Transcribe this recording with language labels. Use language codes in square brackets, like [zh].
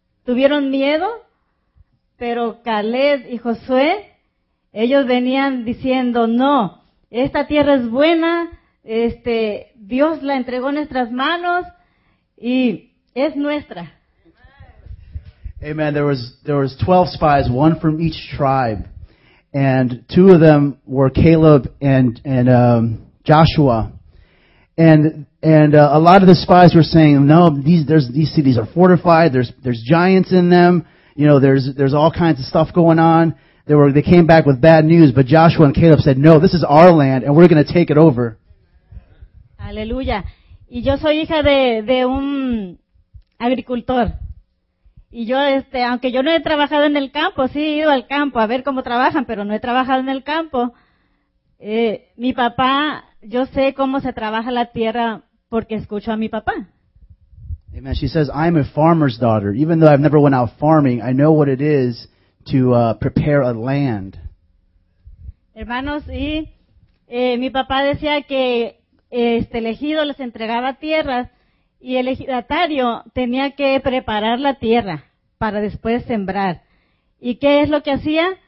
[es] Tuvieron miedo, pero Caleb y Josué, ellos venían diciendo, no, esta tierra es buena, Dios la entregó en nuestras manos y es nuestra. [en] Amen. There was 12 spies, one from each tribe. And two of them were Caleb and Joshua. And a lot of the spies were saying, no, these cities are fortified. There's giants in them. You know, there's all kinds of stuff going on. They came back with bad news, but Joshua and Caleb said, no, this is our land and we're going to take it over. [es] Aleluya. Y yo soy hija de un agricultor. Y yo, aunque yo no he trabajado en el campo, sí he ido al campo a ver cómo trabajan, pero no he trabajado en el campo. Mi papá, yo sé cómo se trabaja la tierra porque escucho a mi papá. [en] Amen. She says, I'm a farmer's daughter. Even though I've never went out farming, I know what it is to prepare a land. [es] Hermanos, y mi papá decía que el ejido les entregaba tierras. Y el ejidatario tenía que preparar la tierra para después sembrar. ¿Y qué es lo que hacía?